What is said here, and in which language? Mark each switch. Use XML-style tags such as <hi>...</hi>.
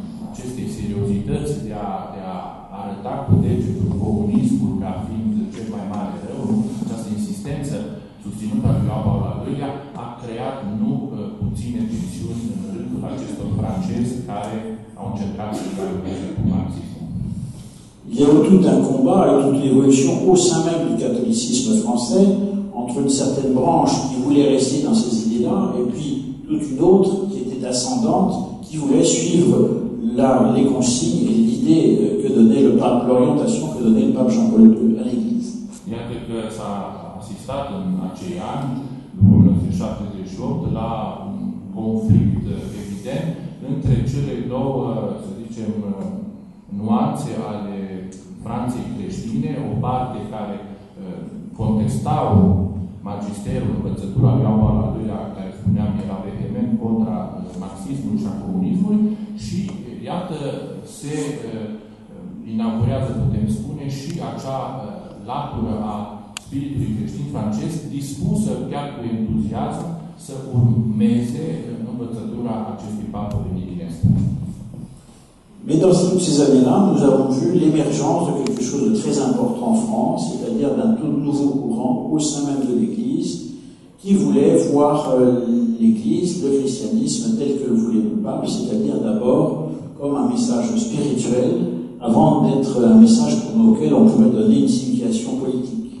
<ro>acestei seriozități de a, de a arăta cu degetul comunismul ca fiind cel mai mare rău, această insistență susținută de Ioan Paul al II-lea a creat nu puține tensiuni în rândul acestor francezi care au încercat să dialogueze cu marxismul.</ro> <fr>Il y a tout un combat et toute une évolution au sein même du catholicisme français entre une certaine branche qui voulait rester dans ces idées-là et puis toute une autre qui était ascendante, qui voulait suivre la, les consignes et l'idée que donnait le pape, l'orientation que donnait le pape Jean-Paul II à l'Église. Il y a quelque chose à assister dans ces années, en 1978, la conflit évident entre les deux,</fr> <ro>nuanțe ale Franței creștine, o parte care contestau magisterul, învățătura lui Ioan Paul al II-lea, care spuneam, era vehement contra marxismului și a comunismului, și iată, se inaugurează, putem spune, și acea latură a spiritului creștin francez, dispusă chiar cu entuziasm să urmeze învățătura acestui papă venit din Est.</ro> <fr>Mais dans toutes ces années-là, nous avons vu l'émergence de quelque chose de très important en France, c'est-à-dire d'un tout nouveau courant au sein même de l'Église, qui voulait voir l'Église, le christianisme, tel que le voulait le pape, c'est-à-dire d'abord comme un message spirituel, avant d'être un message pour lequel on pouvait donner une signification politique.</fr>